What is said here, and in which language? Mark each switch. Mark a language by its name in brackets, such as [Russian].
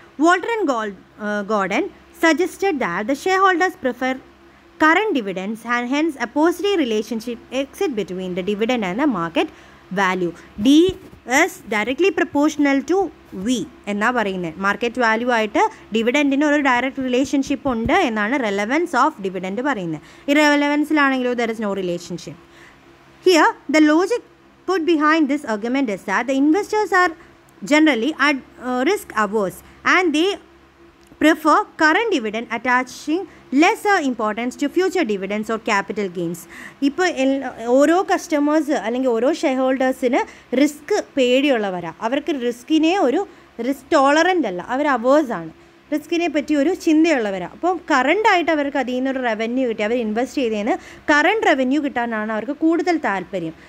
[English] Walter and Gordon suggested that the share holders prefer current dividends and hence a positive relationship exist between the dividend and the market value. D is directly proportional to V [Malayalam] എന്നാ പറയുന്നത്. Market value ആയിട്ട് ഡിവിഡൻഡിന് ഒരു direct relationship ഉണ്ട് എന്നാണ് relevance of dividend പറയുന്നത്. ഇറിലവൻസിലാണെങ്കിലും [English] There is no relationship. Here the logic put behind this argument is that the investors are generally at risk averse and they prefer current dividend attaching lesser importance to future dividends or capital gains. [Malayalam] ഇപ്പോൾ ഓരോ customers അല്ലെങ്കിൽ ഓരോ share ഹോൾഡേഴ്സിന് risk പേടിയുള്ളവരാണ്. അവർക്ക് റിസ്കിനെ ഒരു risk tolerant അല്ല, അവർ hours ആണ്, റിസ്കിനെ പറ്റി ഒരു ചിന്തയുള്ളവരാണ്. അപ്പം കറണ്ടായിട്ട് അവർക്ക് അതിൽ നിന്നൊരു റവന്യൂ കിട്ടി, അവർ ഇൻവെസ്റ്റ് ചെയ്തതിന് കറണ്ട് റവന്യൂ കിട്ടാനാണ് അവർക്ക് കൂടുതൽ താല്പര്യം.